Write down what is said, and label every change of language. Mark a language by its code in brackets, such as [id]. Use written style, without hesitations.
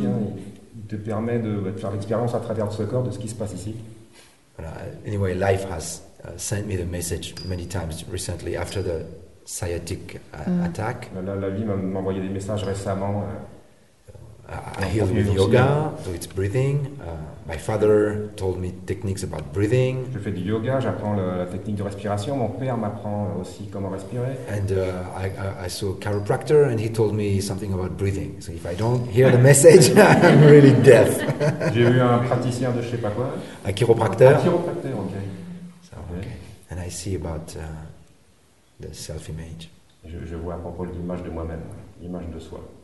[fr] Il te permet de faire l'expérience à travers ce corps de ce qui se passe ici. [en] Anyway, life has sent me the message many times recently after the sciatic attack. [fr] La vie m'a envoyé des messages récemment. [en] I heal with yoga, so it's breathing. My father told me techniques about breathing. [fr] Je fais du yoga, j'apprends la technique de respiration. Mon père m'apprend aussi comment respirer. [en] And I saw a chiropractor, and he told me something about breathing. So if I don't hear the message, I'm really deaf. [fr] J'ai eu un praticien de je sais pas quoi. [en] A chiropractor. [fr] Un chiropracteur, okay. [en] So, okay. And I see about the self-image. [fr] Je vois à propos de l'image de moi-même, l'image de soi.